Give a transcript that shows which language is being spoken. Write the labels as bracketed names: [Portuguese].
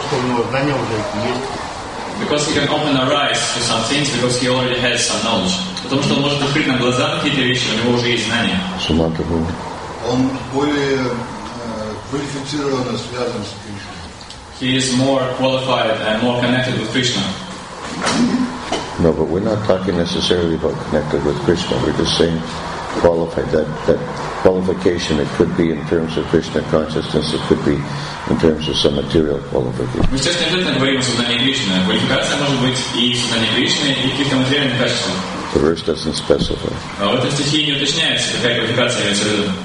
[English] Because he can open our eyes to some things because he already has some knowledge. [Russian] Потому что он может открыть нам глаза на какие-то вещи, у него уже есть знания. Он более квалифицированно связан с Кришной. [English] He is more qualified and more connected with Krishna. No, but we're not talking necessarily about connected with Krishna. We're just saying qualified. That qualification, it could be in terms of Krishna consciousness, it could be in terms of some material qualification. [Russian] Мы сейчас не обязательно говорим о сознании Кришны. Квалификация может быть и сознание Кришны, и каких-то материальных качествах. [English] The verse doesn't specify. [Russian] А в этой стихии не уточняется, какая квалификация имеется в виду.